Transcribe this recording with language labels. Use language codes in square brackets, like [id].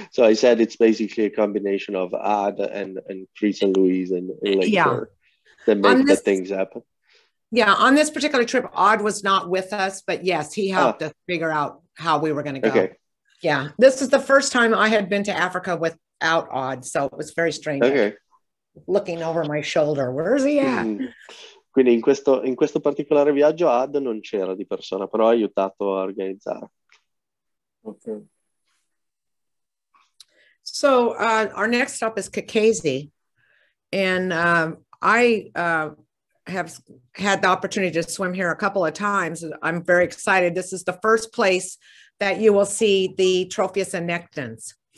[en] So I said it's basically a combination of Ad and Chris and Louise and Lake that make the things happen. Yeah, on this particular trip, Ad was not with us, but yes, he helped us figure out how we were going to go. Okay. Yeah, this is the first time I had been to Africa without Ad, so it was very strange. Okay. Looking over my shoulder, where is he at? [it] Quindi in questo particolare viaggio Ad non c'era di persona, però ha aiutato a organizzare. Ok. [en] So our next stop is Kakazi, and I have had the opportunity to swim here a couple of times. I'm very excited. This is the first place that you will see the Trophius annectans.